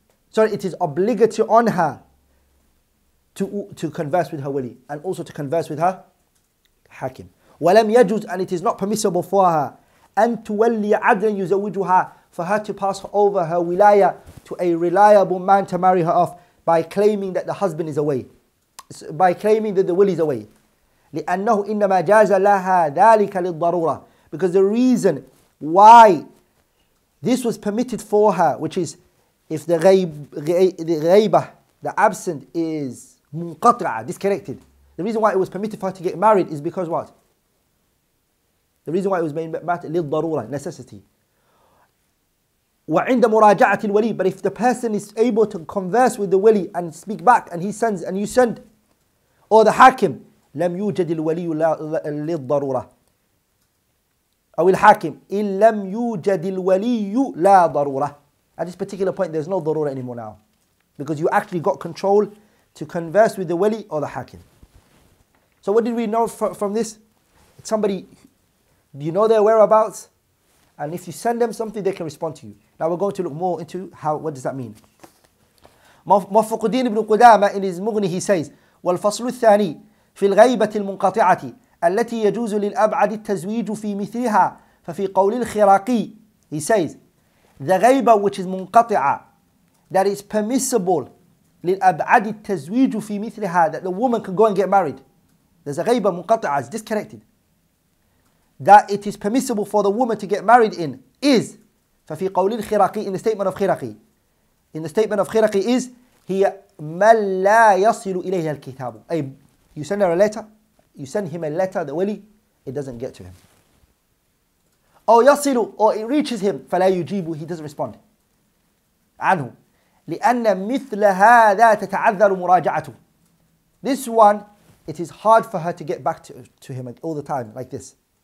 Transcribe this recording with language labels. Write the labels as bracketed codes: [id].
[en] Sorry, it is obligatory on her to converse with her wali and also to converse with her hakim. [ar] ولم يجوز, [en] and it is not permissible for her [ar] أن تولي عدلا يزوجها, [en] for her to pass over her wilaya to a reliable man to marry her off by claiming that the husband is away. By claiming that the will is away. [ar] لأنه إنما جاز لها ذلك للضرورة. [en] Because the reason why this was permitted for her, which is if the غيبة, the absent is منقطعة, disconnected. The reason why it was permitted for her to get married is because what? The reason why it was made للضرورة, necessity. [ar] وعند مراجعة الولي, [en] but if the person is able to converse with the willy and speak back and he sends and you send, or the hakim, [ar] لم يوجد الولي للضرورة. أو الحاكم, إن لم يوجد الولي لا ضرورة. [en] At this particular point, there's no ضرورة anymore now. Because you actually got control to converse with the wali or the hakim. So what did we know from this? It's somebody, do you know their whereabouts? And if you send them something, they can respond to you. Now we're going to look more into what does that mean? [ar] موفق الدين ابن قدامة [en] in his Mughni, he says, [ar] والفصل الثاني في الغيبة المنقطعة التي يجوز للأبعد التزويج في مثلها ففي قول الخراقي. [en] He says, the غيبة which is منقطعة, that is permissible [ar] للأبعد التزويج في مثلها, [en] that the woman can go and get married. There's a [ar] غيبة منقطعة, [en] it's disconnected. That it is permissible for the woman to get married in is, [ar] ففي قول الخراقي, [en] in the statement of خراقي. In the statement of [ar] خراقي is, هي من لا يصل إليها الكتاب. [en] أي you send her a letter, you send him a letter, the wali, it doesn't get to him. [ar] أو يصل, [en] or it reaches him, [ar] فلا يجيبه, [en] he doesn't respond. عنه. [ar] لأن مثل هذا تتعذر مراجعته. [en] This one, it is hard for her to get back to him all the time like this.